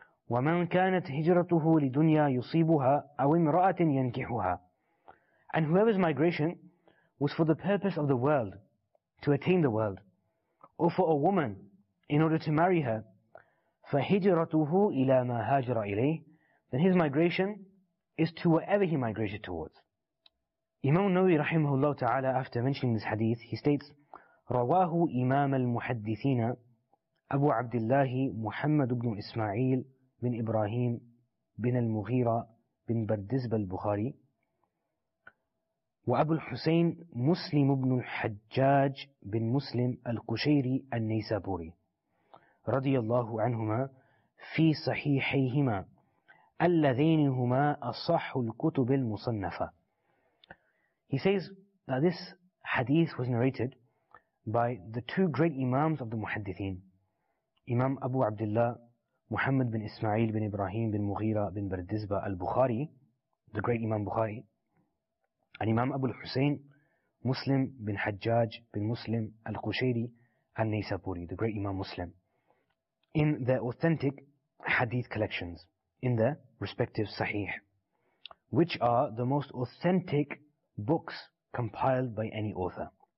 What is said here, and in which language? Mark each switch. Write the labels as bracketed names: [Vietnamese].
[Arabic] وَمَنْ كَانَتْ هِجْرَتُهُ لِدُنْيَا يُصِيبُهَا أَوْ امْرَأَةٍ يَنْكِحُهَا, [English] and whoever's migration was for the purpose of the world, to attain the world, or for a woman in order to marry her, [Arabic] فَهِجْرَتُهُ إِلَى مَا هَاجْرَ إِلَيْهِ, [English] then his migration is to whatever he migrated towards. Imam An-Nawawi rahimahullah ta'ala, after mentioning this hadith, he states, [Arabic] رَوَاهُ إِمَامَ الْمُحَدِّثِينَ أَبُو عَبْدِ اللَّهِ مُحَمَّدُ بْنُ إِسْمَعِيلِ بِنْ إِبْرَاهِيمِ بِنْ الْمُغِيرَ بِنْ بَرْدِزْبَ الْبُخَارِي وَأَبُو الْحُسَيْنِ مُسْلِمُ بْنُ الْحَجَّاجِ بِنْ مُسْلِمِ الْقُشَيْرِ النَّيْسَابُورِي رضي الله عنهما في صحيحيهما اللذين هما أصح الكتب المصنفة. [English] He says that this hadith was narrated by the two great imams of the muhaddithin, Imam Abu Abdullah Muhammad bin Ismail bin Ibrahim bin Mughira bin Bardizba al-Bukhari, the great Imam Bukhari, and Imam Abu al-Husayn Muslim bin Hajjaj bin Muslim al-Qushayri al-Naysapuri, the great Imam Muslim, in their authentic hadith collections, in their respective sahih, which are the most authentic books compiled by any author.